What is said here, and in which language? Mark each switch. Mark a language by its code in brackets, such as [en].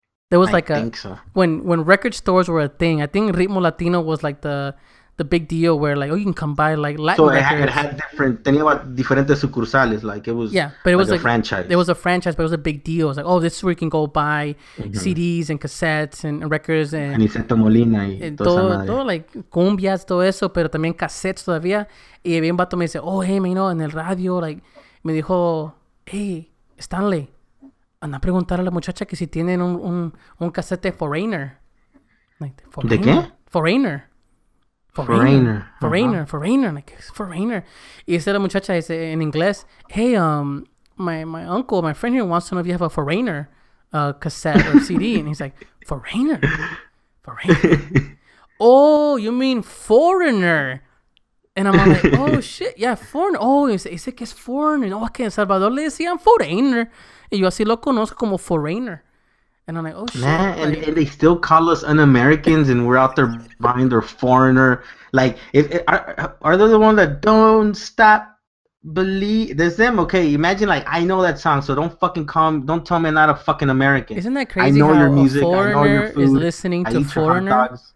[en] There was like when record stores were a thing, I think Ritmo Latino was like the big deal where like, oh, you can come buy like Latin records. So it had different, [es] tenía diferentes sucursales, [en] like it was, yeah, but it was like a franchise. It was a franchise, but it was a big deal. It was like, oh, this is where you can go buy CDs and cassettes and records. And [es] Aniceto Molina y todo like cumbias, todo eso, pero también cassettes todavía. Y había un vato me dice, [en] oh, hey, man, you know, [es] en el radio, like, me dijo, hey, Stanley, anda a preguntar a la muchacha que si tienen un cassette Foreigner. Like, Foreigner. ¿De qué? Foreigner. Foreigner. [en] Foreigner. Uh-huh. Foreigner. Like, it's Foreigner. [es] Y dice la muchacha dice, en inglés, [en] hey, my uncle, my friend here wants to know if you have a Foreigner cassette or CD. And he's like, Foreigner. Foreigner. Oh, you mean Foreigner. And I'm like, oh, shit. Yeah, Foreigner. [es] Oh, y dice que es Foreigner. Oh, que en Salvador le decían Foreigner. Y yo así lo conozco como Foreigner. [en] And I'm like, oh, shit. Nah, and they still call us un-Americans and we're out there buying their Foreigner. Like, are they the ones that don't stop believe? There's them. Okay, imagine, like, I know that song, so don't fucking come. Don't tell me I'm not a fucking American. Isn't that crazy? I know your music. I know your food. Is listening to Foreigner?